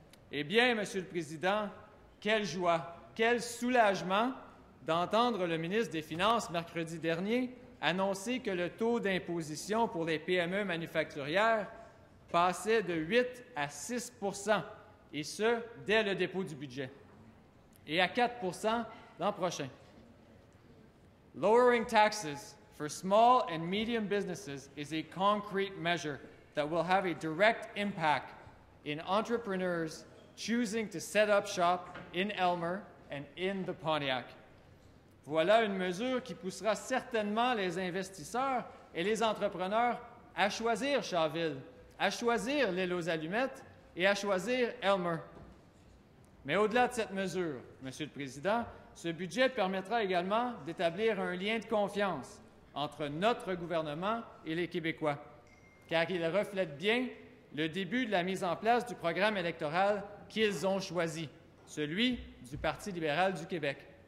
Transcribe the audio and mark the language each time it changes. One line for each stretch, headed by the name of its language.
French: Eh bien, Monsieur le Président, quelle joie, quel soulagement d'entendre le ministre des Finances mercredi dernier annoncer que le taux d'imposition pour les PME manufacturières passait de 8 à 6 % et ce, dès le dépôt du budget, et à 4 % l'an prochain.
English: Lowering taxes for small and medium businesses is a concrete measure that will have a direct impact in entrepreneurs choosing to set up shop in Elmer and in the Pontiac.
French: Voilà une mesure qui poussera certainement les investisseurs et les entrepreneurs à choisir Shawville, à choisir l'île aux Allumettes et à choisir Elmer. Mais au-delà de cette mesure, Monsieur le Président, ce budget permettra également d'établir un lien de confiance entre notre gouvernement et les Québécois, car il reflète bien le début de la mise en place du programme électoral qu'ils ont choisi, celui du Parti libéral du Québec.